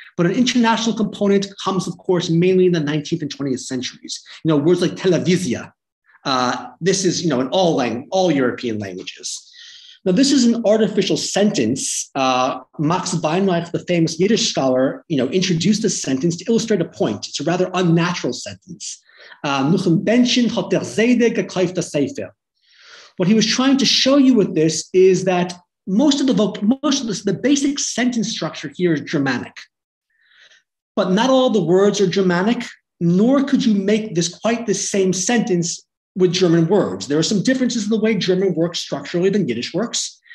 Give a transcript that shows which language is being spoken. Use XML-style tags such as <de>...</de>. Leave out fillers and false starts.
<en>But an international component comes, of course, mainly in the 19th and 20th centuries. You know, words like televisia. This is, you know, in all European languages. Now, this is an artificial sentence. Max Weinreich, the famous Yiddish scholar, you know, introduced this sentence to illustrate a point. It's a rather unnatural sentence.</en> <yi>Nuchem Benchin hat der Zede gekauft das Seifer.</yi> <en>What he was trying to show you with this is that the basic sentence structure here is Germanic. But not all the words are Germanic, nor could you make this quite the same sentence with German words. There are some differences in the way German works structurally than Yiddish works.</en>